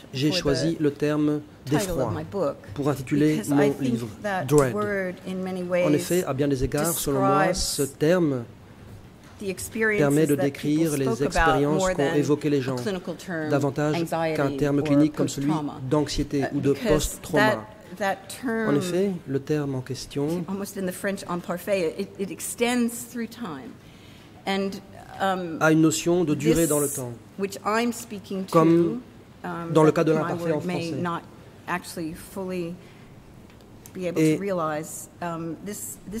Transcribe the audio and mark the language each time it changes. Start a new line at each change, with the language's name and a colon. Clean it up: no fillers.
French: j'ai choisi le terme d'effroi pour intituler mon livre Dread. En effet, à bien des égards, selon moi, ce terme permet de décrire les expériences qu'ont évoquées les gens, davantage qu'un terme clinique comme celui d'anxiété ou de post-trauma. En effet, le terme en question,
English: almost in the French en parfait, it extends through time. And
French: à une notion de durée dans le temps, comme dans le cas de l'imparfait en français.